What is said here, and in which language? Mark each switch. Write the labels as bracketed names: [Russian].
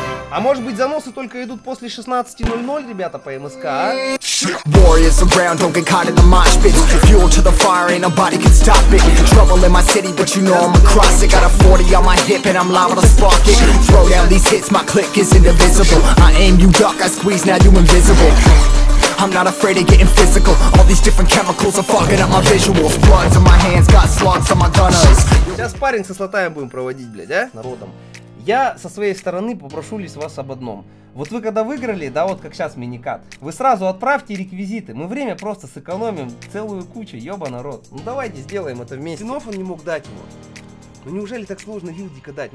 [Russian] А может быть, заносы только идут после 16:00, ребята, по МСК, а? [English] Warriors around, don't get caught in the mosh pit. Fuel to the fire, ain't nobody can stop it. Trouble in my city, but you know I'm across it. Got a 40 on my hip and I'm liable to spark it. Throw down these hits, my click is indivisible. I aim, you duck, I squeeze, now you invisible. I'm not afraid of getting physical. All these different chemicals are fogging up my visuals. Bloods on my hands, got slugs on my gunners. [Russian] Сейчас спарринг со Слотаем будем проводить, блядь, а? Народом. Я со своей стороны попрошу лишь вас об одном. Вот вы когда выиграли, да, вот как сейчас миникат, вы сразу отправьте реквизиты. Мы время просто сэкономим целую кучу, ёба народ. Ну давайте сделаем это вместе. Спинов он не мог дать ему. Ну неужели так сложно Вилдика дать?